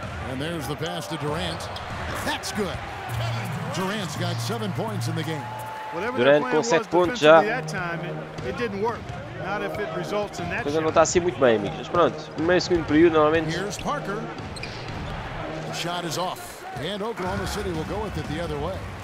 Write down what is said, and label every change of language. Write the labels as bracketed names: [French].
[English] And there's the pass to Durant. That's good. Durant's got 7 points in the game. [Portuguese] Durant com 7 pontos já. A coisa não está assim muito bem, amigos. Mas pronto, no meio do segundo período, normalmente. [English] Here's Parker. The shot is off. And Oklahoma City will go with it the other way.